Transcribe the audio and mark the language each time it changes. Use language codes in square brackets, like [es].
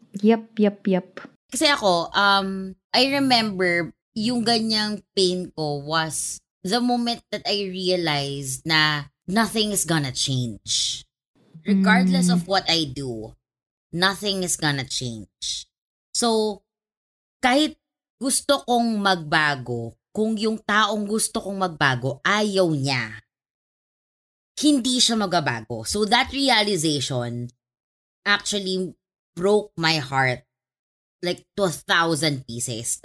[en] Yep. [tl] Kasi ako, [en] I remember [tl] yung ganyang [en] pain ko was the moment that I realized na nothing is gonna change. Regardless of what I do, nothing is gonna change. [tl] So, kahit gusto kong magbago, kung yung taong gusto kong magbago, ayaw niya, hindi siya magbago. [en] So that realization actually broke my heart like to 1,000 pieces.